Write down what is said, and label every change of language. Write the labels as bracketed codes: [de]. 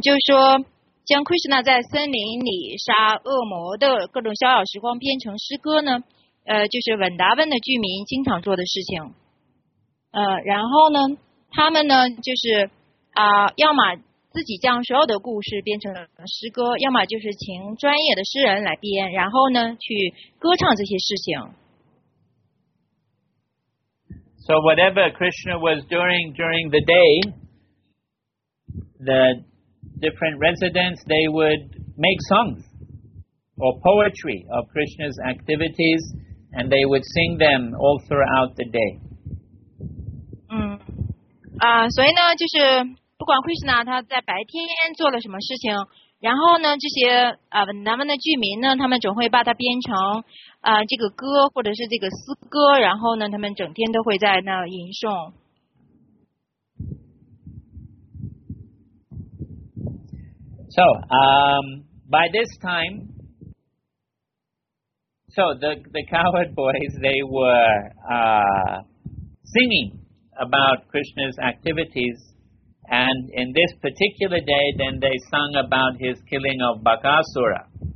[zh] 就说将 Krishna 在森林里杀恶魔的各种逍遥时光编成诗歌呢，就是文达温的居民经常做的事情。然后呢，他们呢就是要么自己将所有的故事变成了诗歌，要么就是请专业的诗人来编，然后呢去歌唱这些事情。 [en] So whatever Krishna was doing during the day, the different residents, they would make songs or poetry of Krishna's activities, and they would sing them all throughout the day. [zh] 所以呢，就是不管 Krishna 他在白天做了什么事情，然后呢，这些南方的居民呢，他们总会把它编成这个歌或者是这个诗歌，然后呢，他们整天都会在那吟诵。 [en] So, by this time, so the cowherd boys, they were singing about Krishna's activities. And in this particular day, then they sung about his killing of Bakasura.